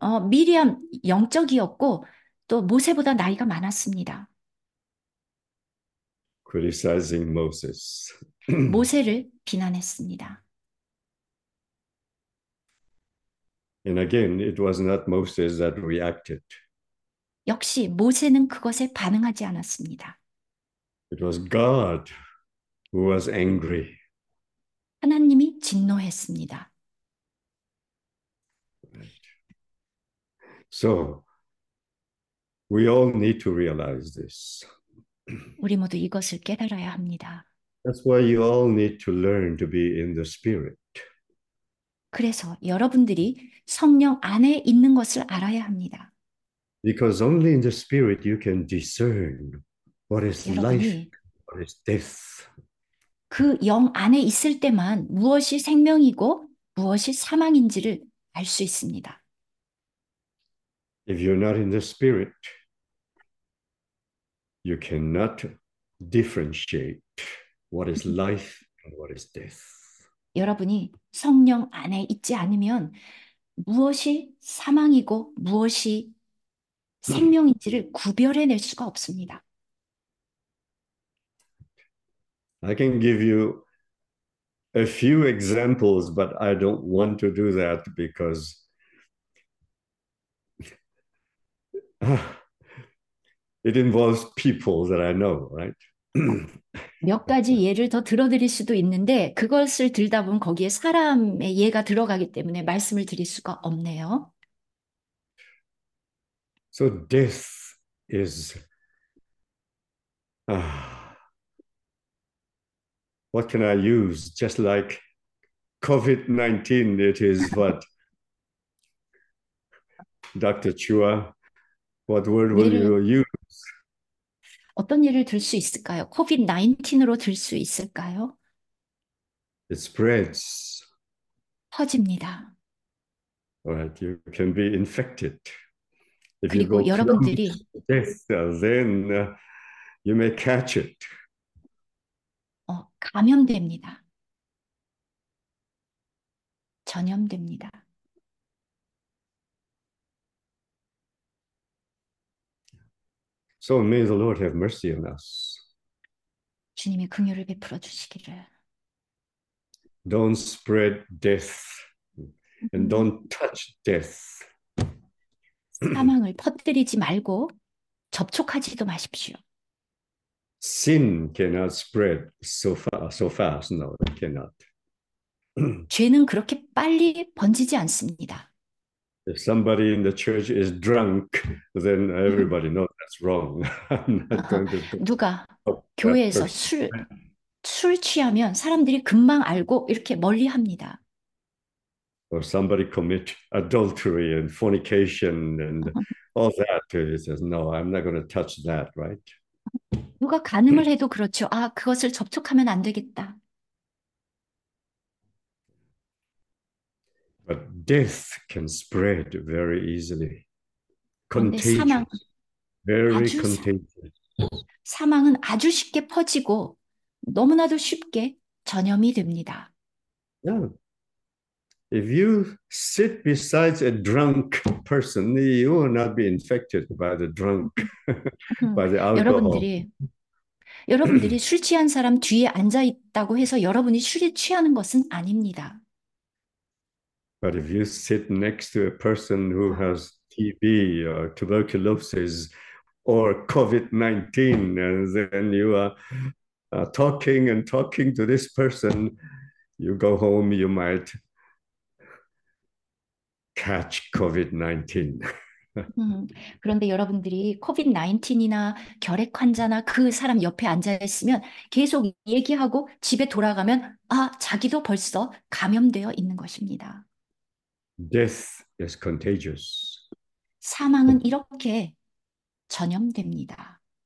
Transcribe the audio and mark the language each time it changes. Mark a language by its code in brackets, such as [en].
[ko] 미리암 영적이었고 또 모세보다 나이가 많았습니다. [en] Criticizing Moses. [ko] 모세를 비난했습니다. [en] And again, it was not Moses that reacted. [ko] 역시 모세는 그것에 반응하지 않았습니다. [en] It was God who was angry. [ko] 하나님이 진노했습니다. [en] So, we all need to realize this. [ko] 우리 모두 이것을 깨달아야 합니다. [en] That's why you all need to learn to be in the Spirit. [ko] 그래서 여러분들이 성령 안에 있는 것을 알아야 합니다. [en] Because only in the spirit you can discern what is life, [ko] 여러분이 [en] what is death. [ko] 그영 안에 있을 때만 무엇이 생명이고 무엇이 사망인지를 알수 있습니다. [en] If you're not in the spirit, you cannot differentiate what is life and what is death. [ko] 여러분이 성령 안에 있지 않으면 무엇이 사망이고 무엇이 생명인지를 구별해낼 수가 없습니다. [en] I can give you a few examples, but I don't want to do that because it involves people that I know, [ko] 몇 가지 예를 더 들어드릴 수도 있는데, 그것을 들다 보면 거기에 사람의 예가 들어가기 때문에 말씀을 드릴 수가 없네요. [en] So death is, what can I use? Just like COVID-19, it is what? Dr. Chua, what word will [ko] 예를 [en] you use? [ko] 어떤 예를 들수 있을까요? COVID-19으로 들수 있을까요? [en] It spreads. [ko] 퍼집니다. [en] Right, you can be infected. If you [ko] 그리고 [en] go close [ko] 여러분들이 [en] to death, then you may catch it. [ko] 감염됩니다. 전염됩니다. [en] So may the Lord have mercy on us. [ko] 주님이 긍휼을 베풀어 주시기를. [en] Don't spread death and don't touch death. [ko] 사망을 퍼뜨리지 말고 접촉하지도 마십시오. [en] Sin cannot spread so fast. No, it cannot. [ko] 죄는 그렇게 빨리 번지지 않습니다. [en] If somebody in the church is drunk, then everybody knows that's wrong. I'm not going to [ko] 누가 [en] help that [ko] 교회에서 [en] person. [ko] 술 취하면 사람들이 금방 알고 이렇게 멀리합니다. [en] Or somebody commit adultery and fornication and all that. He says, no, I'm not going to touch that, right? [ko] 누가 간음을 해도 그렇죠. 아, 그것을 접촉하면 안 되겠다. [en] But death can spread very easily. [ko] 그런데 [en] Contagious. Very contagious. [ko] 사망은 아주 쉽게 퍼지고 너무나도 쉽게 전염이 됩니다. [en] Yeah. If you sit beside a drunk person, you will not be infected by the drunk, by the alcohol. [ko] 여러분들이 술 취한 사람 뒤에 앉아 있다고 해서 여러분이 술에 취하는 것은 아닙니다. [en] But if you sit next to a person who has TB or tuberculosis or COVID-19, and then you are talking and talking to this person, you go home, you might catch COVID-19. [ko] 그런데 여러분들이 COVID-19이나 결핵 환자나 그 사람 옆에 앉아 있으면 계속 얘기하고 집에 돌아가면 아, 자기도 벌써 감염되어 있는 것입니다. [en] Death is contagious. [ko] 사망은 이렇게 전염됩니다.